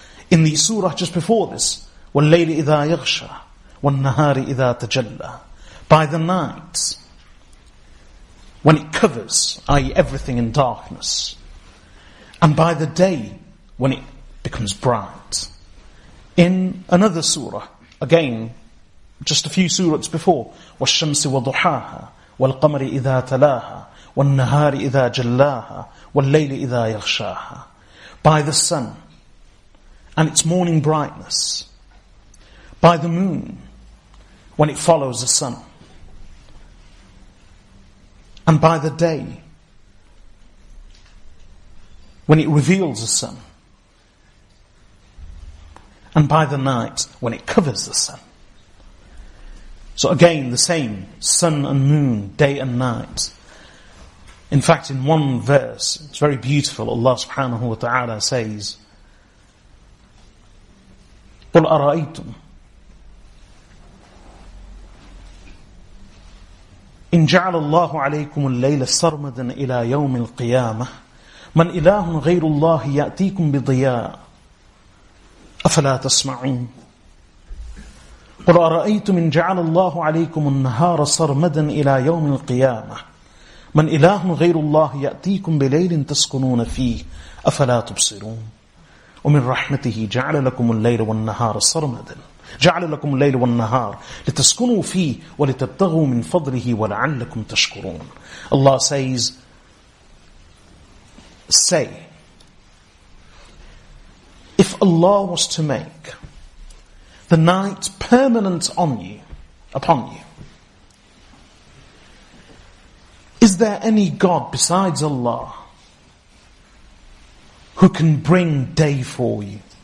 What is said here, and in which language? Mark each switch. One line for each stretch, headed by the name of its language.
English: In the surah just before this,
Arabic: وَاللَّيْلِ إِذَا يَغْشَى وَالنَّهَارِ إِذَا تَجَلَّى.
English: By the night, when it covers, i.e. everything in darkness. And by the day, when it becomes bright. In another surah, again, just a few surahs before,
Arabic: وَالشَّمْسِ وَضُحَاهَا وَالْقَمَرِ إِذَا تَلَاهَا وَالنَّهَارِ إِذَا جَلَّاهَا وَالْلَّيْلِ إِذَا يَغْشَاهَا.
English: By the sun and its morning brightness. By the moon when it follows the sun. And by the day when it reveals the sun. And by the night when it covers the sun. So again, the same sun and moon, day and night. In fact, in one verse, it's very beautiful, Allah subhanahu wa ta'ala says,
Arabic: قُلْ أَرَأَيْتُمْ إِنْ جَعَلَ اللَّهُ عَلَيْكُمُ اللَّيْلَ سَرْمَدًا إِلَى يَوْمِ الْقِيَامَةِ مَنْ إِلَهٌ غَيْرُ اللَّهِ يَأْتِيكُمْ بِضِيَاءٍ أَفَلَا تَسْمَعُونَ قُلْ أَرَأَيْتُمْ إِنْ جَعَلَ اللَّهُ عَلَيْكُمُ النَّهَارَ سَرْمَدًا إِلَى يَوْمِ الْقِيَامَةِ مَنْ إِلَهٌ غَيْرُ اللَّهِ يَأْتِيكُمْ بِلَيْلٍ تَسْكُنُونَ فِيهِ أَفَلَا تُبْصِرُونَ وَمِنْ رَحْمَتِهِ جَعْلَ لَكُمُ اللَّيْلَ وَالنَّهَارَ سَرْمَدًا جَعْلَ لَكُمُ اللَّيْلَ وَالنَّهَارَ لِتَسْكُنُوا فِيهِ وَلِتَبْتَغُوا مِنْ فَضْلِهِ وَلَعَلَّكُمْ تَشْكُرُونَ.
English: Allah says, say, if Allah was to make the night permanent upon you, is there any God besides Allah who can bring day for you?